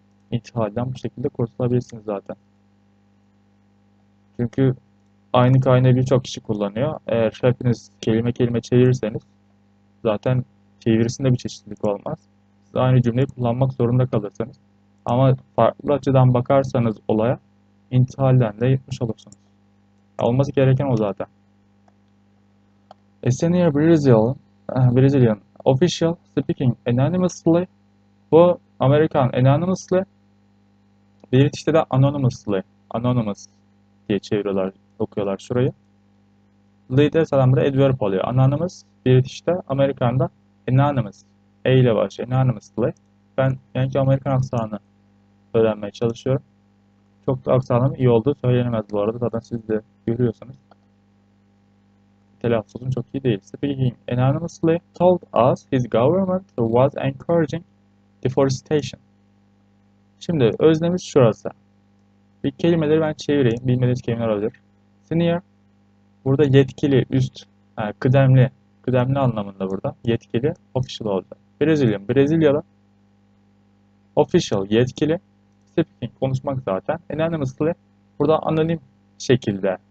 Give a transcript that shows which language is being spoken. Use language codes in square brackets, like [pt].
[tr] İntihaldan bu şekilde kurtulabilirsiniz zaten. Çünkü aynı kaynağı birçok kişi kullanıyor. Eğer hepiniz kelime kelime çevirirseniz zaten çevirisinde bir çeşitlilik olmaz. Siz aynı cümleyi kullanmak zorunda kalırsınız. Ama farklı açıdan bakarsanız olaya intihalden de yırtmış olursunuz. Olması gereken o zaten. [en] A senior Brazilian official speaking anonymously. [tr] Bu Amerikan anonymously. British'te de anonymously. Anonymous diye çeviriyorlar. Okuyorlar şurayı. Leader adam da adverb oluyor. Anonymous. British'te. Amerikan'da anonymous. A ile başlıyor. Anonymously. Ben yani Amerikan aksanını öğrenmeye çalışıyorum. Çok da aksanım iyi olduğu söylenemez bu arada. Zaten siz de görüyorsunuz. Telaffuzum çok iyi değil. [en] Speaking anonymously told us his government was encouraging deforestation. [tr] Şimdi öznemiz şurası. Bir kelimeleri ben çevireyim. Bilmediğiniz kelimeler olabilir. Senior. Burada yetkili, üst, yani kıdemli. Kıdemli anlamında burada. Yetkili, official oldu. Brezilya. Brezilyalı. Official, yetkili. Speaking, konuşmak zaten. Anonymously. Burada anonim şekilde.